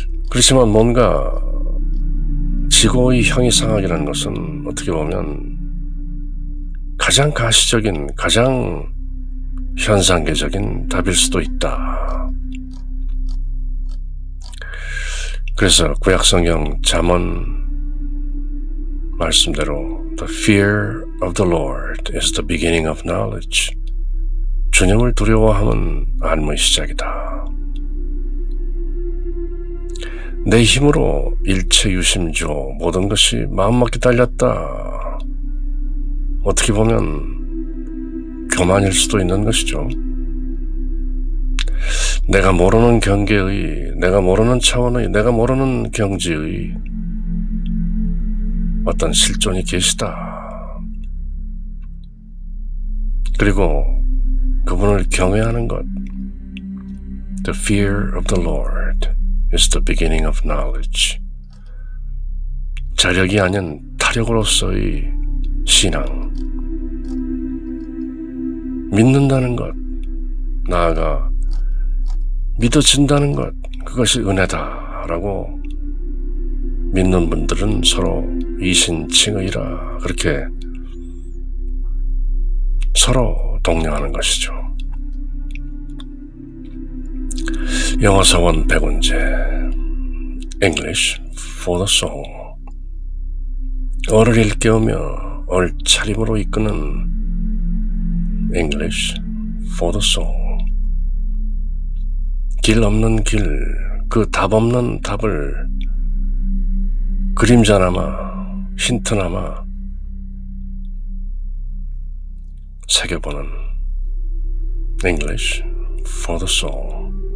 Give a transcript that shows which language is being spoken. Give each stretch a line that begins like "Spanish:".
Korean: 그렇지만 뭔가 지고의 형이 상하기라는 것은 어떻게 보면 가장 가시적인, 가장 현상계적인 답일 수도 있다. 그래서 구약성경 잠언 말씀대로
English: The fear of the Lord is the beginning of knowledge.
Korean: 주님을 두려워함은 알무의 시작이다. 내 힘으로 일체 유심조 모든 것이 마음맞게 달렸다. 어떻게 보면 교만일 수도 있는 것이죠. 내가 모르는 경계의, 내가 모르는 차원의, 내가 모르는 경지의 어떤 실존이 계시다. 그리고 그분을 경외하는 것.
English: The fear of the Lord is the beginning of knowledge.
Korean: 자력이 아닌 타력으로서의 신앙. 믿는다는 것, 나아가 믿어진다는 것, 그것이 은혜다라고 믿는 분들은 서로 이신칭의라 그렇게 서로 동요하는 것이죠. 영어서원 백운제
English: English for the soul.
Korean: 어를 일깨우며 얼 차림으로 이끄는
English: English for the soul.
Korean: 길 없는 길, 그 답 없는 답을 그림자나마 힌트나마 새겨보는
English: English for the soul.